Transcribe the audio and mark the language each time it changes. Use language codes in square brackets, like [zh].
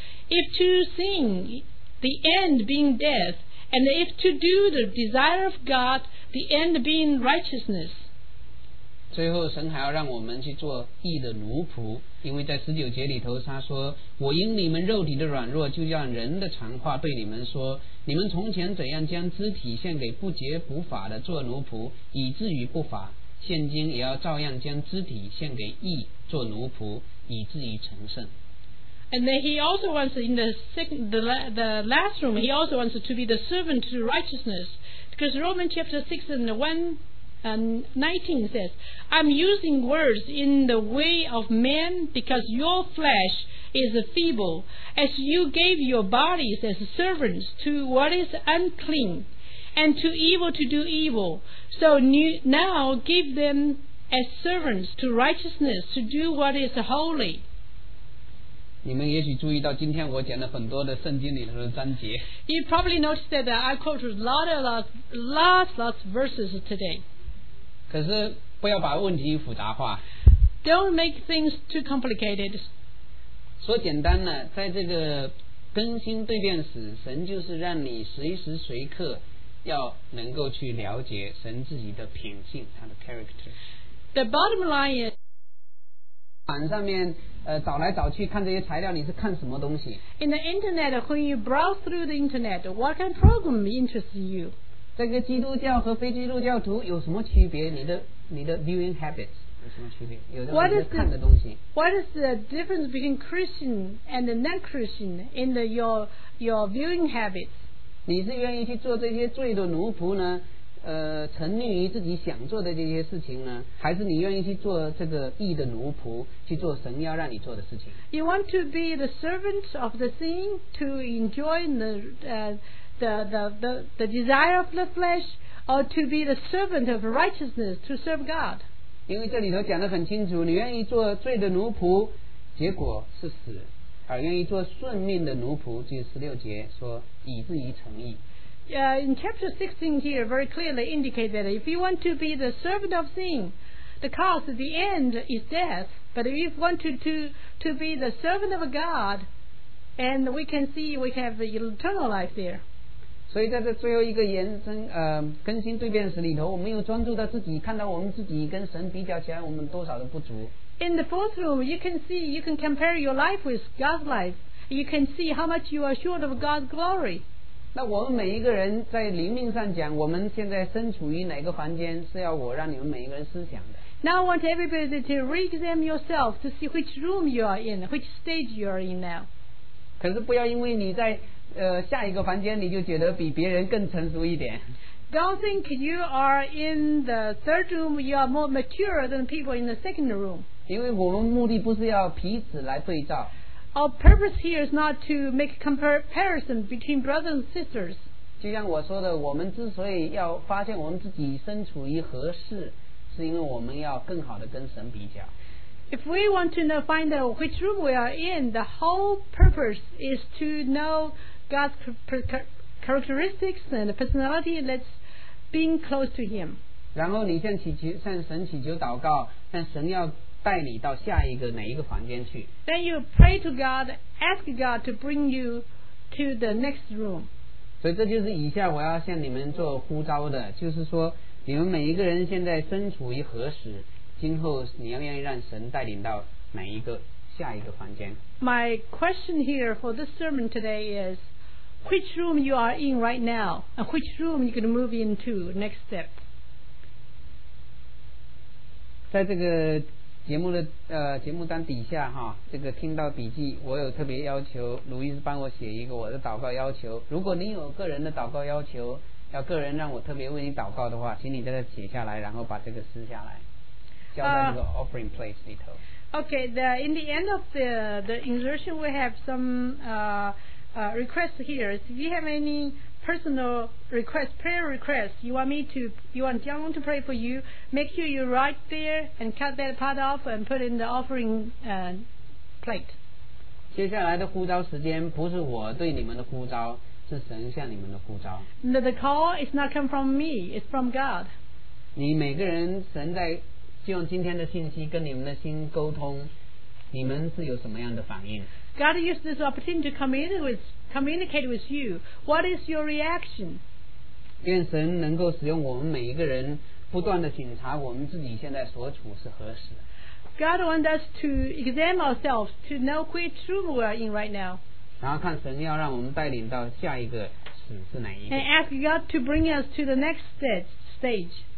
[en] If to sin, the end being death,And if to do the desire of God, the end being righteousness. [zh] 最后神还要让我们去做义的奴仆，因为在十九节里头他说，我因你们肉体的软弱，就让人的残话对你们说，你们从前怎样将肢体献给不洁不法的做奴仆，以至于不法，现今也要照样将肢体献给义做奴仆，以至于成圣。 [en] And then he also wants in the last room, he also wants to be the servant to righteousness. Because Romans chapter 6 and 19 says, I'm using words in the way of man because your flesh is feeble. As you gave your bodies as servants to what is unclean and to evil to do evil. So now give them as servants to righteousness to do what is holy. [zh] 你们也许注意到今天我讲了很多的圣经里头的章节。 [en] You probably noticed that I quoted lots of verses today. [zh] 可是不要把问题复杂化。 [en] Don't make things too complicated. [zh] 说简单呢，在这个更新蜕变时，神就是让你随时随刻要能够去了解神自己的品性，他的 character。 [en] The bottom line is. [zh] 上面找来找去看这些材料，你是看什么东西？ [en] In the internet, when you browse through the internet, what kind of program interests you? [zh] 这个基督教和非基督教徒有什么区别？你的 [en] viewing habits [zh] 有什么区别？有什么看的东西？ [en] What is the difference between Christian and the non-Christian in the your viewing habits? [zh] 你是愿意去做这些罪的奴仆呢？沉溺于自己想做的这些事情呢，还是你愿意去做这个义的奴仆，去做神要让你做的事情？ [en] You want to be the servant of the sin to enjoy the desire of the flesh, or to be the servant of righteousness to serve God? [zh] 因为这里头讲得很清楚，你愿意做罪的奴仆，结果是死；而愿意做顺命的奴仆，就是16节说以至于诚意。 [en] In chapter 16 here, very clearly indicate that if you want to be the servant of sin, the cause at the end is death. But if you want to be the servant of God, and we can see we have the eternal life there. [zh] 所以在这最后一个延伸更新蜕变时里头，我们又专注到自己，看到我们自己跟神比较起来，我们多少的不足。 [en] In the fourth room, you can see you can compare your life with God's life. You can see how much you are short of God's glory. [zh] 那我们每一个人在灵命上讲，我们现在身处于哪个房间，是要我让你们每一个人思想的。 [en] Now I want everybody to re-examine yourself to see which room you are in, which stage you are in now. [zh] 可是不要因为你在下一个房间，你就觉得比别人更成熟一点。 [en] Don't think you are in the third room, you are more mature than people in the second room. [zh] 因为我们目的不是要彼此来对照。 [en] Our purpose here is not to make comparison between brothers and sisters. [zh] 就像我说的，我们之所以要发现我们自己身处于何事，是因为我们要更好的跟神比较。 [en] If we want to know, find out which room we are in, the whole purpose is to know God's characteristics and personality. Let's be close to Him. [zh] 然后你向神祈求祷告，向神要。带你到下一个哪一个房间去 [en] Then you pray to God, ask God to bring you to the next room. [zh] 所以这就是以下我要向你们做呼召的，就是说你们每一个人现在身处于何时，今后你要愿意让神带领到哪一个下一个房间。 [en] My question here for this sermon today is which room you are in right now and which room you're going to move into next step. [zh] 在这个节目单底下哈，这个听到笔记，我有特别要求，卢医师帮我写一个我的祷告要求。如果你有个人的祷告要求，要个人让我特别为你祷告的话，请你在这写下来，然后把这个撕下来，交在这个 [en] offering place [zh] 里头。 [en] Okay, in the end of the insertion, we have some requests here. If you have any personal request, prayer request, you want Jiang Long to pray for you, make sure you write there and cut that part off and put in the offering plate. [zh] 接下来的呼召时间不是我对你们的呼召，是神向你们的呼召。 [en] The call is not come from me, it's from God. [zh] 你每个人神在就用今天的信息跟你们的心沟通，你们是有什么样的反应？ [en] God used this opportunity to communicate with you. What is your reaction? [zh] 愿神能够使用我们每一个人不断地检查我们自己现在所处是何时。 [en] God wants us to examine ourselves to know which room we are in right now. [zh] 然后看神要让我们带领到下一个是哪一个。 [en] And ask God to bring us to the next stage.